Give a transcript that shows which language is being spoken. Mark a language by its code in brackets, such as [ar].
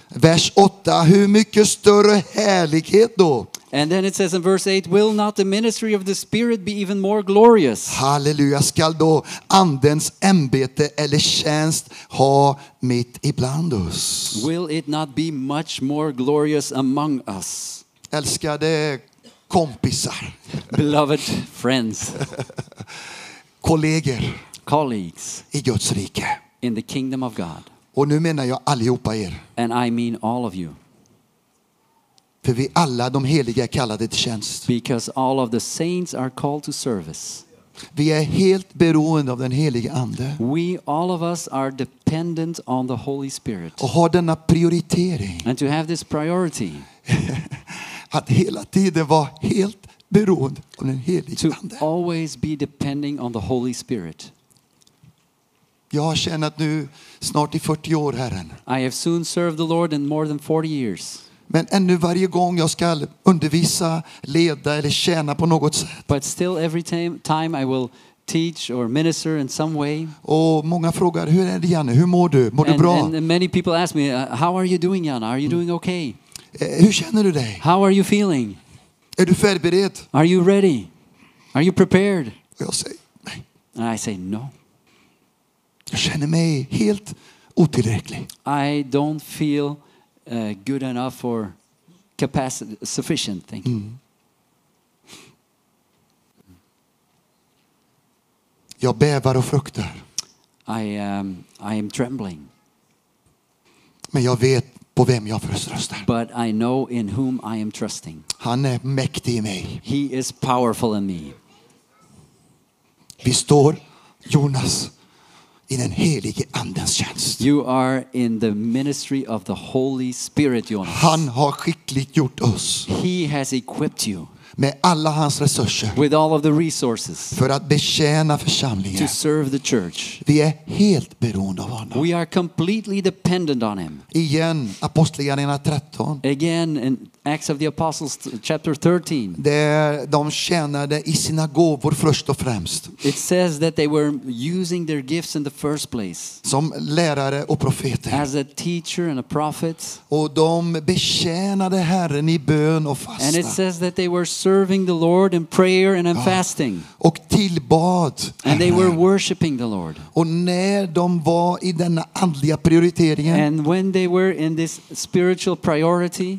[sv] Vers 8, hur mycket större härlighet då? [en] And then it says in verse 8, will not the ministry of the spirit be even more glorious? [sv] Halleluja, skall då andens ämbete eller tjänst ha mitt ibland oss? [en] Will it not be much more glorious among us? [sv] Älskade kompisar. [en] Beloved friends. [sv] Kolleger. [en] Colleagues. [sv] I Guds rike. [en] In the kingdom of God. [sv] Och nu menar jag allihopa er. [en] And I mean all of you. [sv] För vi alla de heliga är kallade till tjänst. [en] Because all of the saints are called to service. [sv] Vi är helt beroende av den helige ande. [en] We all of us are dependent on the Holy Spirit. [sv] Och ha denna prioritering. [en] And to have this priority. [sv] Att hela tiden vara helt beroende av den helige ande. [en] To always be depending on the Holy Spirit. [sv] Jag har tjänat nu snart i 40 år, Herren. [en] I have soon served the Lord in more than 40 years. [sv] Men ännu varje gång jag ska undervisa, leda eller tjäna på något sätt. [en] But still every time I will teach or minister in some way. [sv] Och många frågar, hur är det Janne? Hur mår du? Mår du bra? [en] And many people ask me, how are you doing Janne? Are you doing okay? [sv] Hur känner du dig? [en] How are you feeling? [sv] Är du förberedd? [en] Are you ready? Are you prepared? [sv] Och jag säger nej. [en] And I say no. [sv] Jag känner mig helt otillräcklig. [en] I don't feel good enough for capacity sufficient thank you. [sv] Jag bävar och fruktar. [en] I am trembling. [sv] Men jag vet på vem jag förtröstar. [en] But I know in whom I am trusting. [sv] Han är mäktig i mig. [en] He is powerful in me. [sv] Vi står Jonas i den helige andens tjänst. [en] You are in the ministry of the Holy Spirit, Jonas. [sv] Han har skickligt gjort oss. [en] He has equipped you. [sv] Med alla hans resurser. [en] With all of the resources. [sv] För att betjäna församlingen. [en] To serve the church. [sv] Vi är helt beroende av honom. [en] We are completely dependent on him. [sv] Igen, Apostlagärningarna 13. [en] Again, in Acts of the Apostles chapter 13. [sv] Där de tjänade i synagogor först och främst. [en] It says that they were using their gifts in the first place. [sv] Som lärare och profeter. [en] As a teacher and a prophet. [sv] Och de betjänade Herren i bön och fasta. [en] And it says that they were serving the Lord in prayer and in fasting. [sv] Och tillbad. [en] And they were worshiping the Lord. [sv] Och när de var i den andliga prioriteringen. [en] And when they were in this spiritual priority.